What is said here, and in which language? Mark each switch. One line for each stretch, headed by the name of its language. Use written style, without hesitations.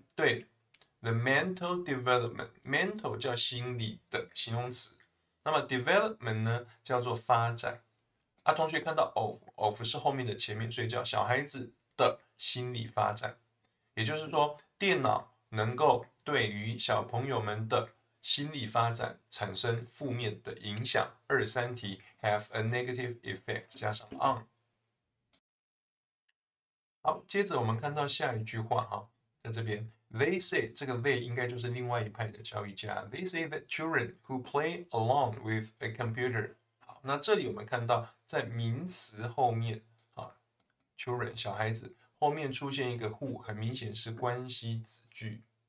Chinese: 对
English: the mental development，
Chinese: mental 叫心理的形容词，那么 development 呢叫做发展。啊，同学看到 of 是后面的前面，所以叫小孩子的心理发展，也就是说，电脑能够对于小朋友们的心理发展产生负面的影响。 23题
English: have a negative effect
Chinese: 加上 on。好，接着我们看到下一句话哈，在这边，
English: they say 这个 they 应该就是另外一派的教育家，they say that children who play along with a computer。
Chinese: 那这里我们看到，在名词后面啊，children 小孩子后面出现一个 who，很明显是关系子句。